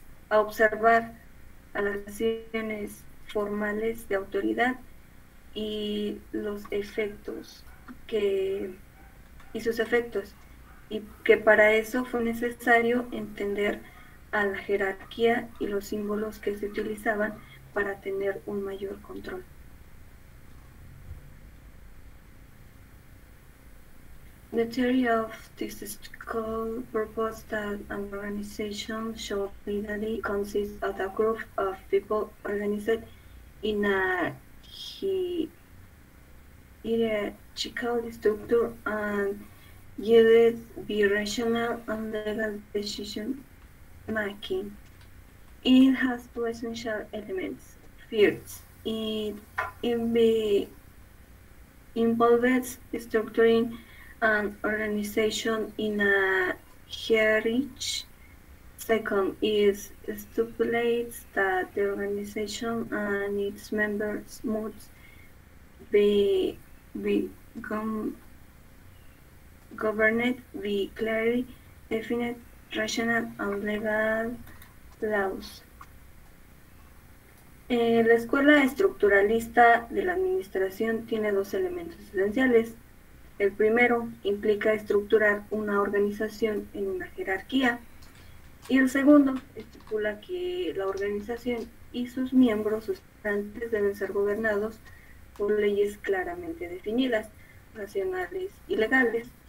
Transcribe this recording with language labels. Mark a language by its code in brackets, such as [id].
[es] a observar a las acciones formales de autoridad y los efectos que y sus efectos, y que para eso fue necesario entender a la jerarquía y los símbolos que se utilizaban para tener un mayor control. [en] The theory of this school proposed that an organization should ideally consist of a group of people organized in a hierarchical structure and guided by rational and legal decision making. It has two essential elements. First, it involves structuring an organization in a hierarchy. Second, is stipulates that the organization and its members must become governed by clearly defined, rational and legal laws. [es] La escuela estructuralista de la administración tiene dos elementos esenciales. El primero implica estructurar una organización en una jerarquía. Y el segundo estipula que la organización y sus miembros sustantes deben ser gobernados por leyes claramente definidas, nacionales y legales.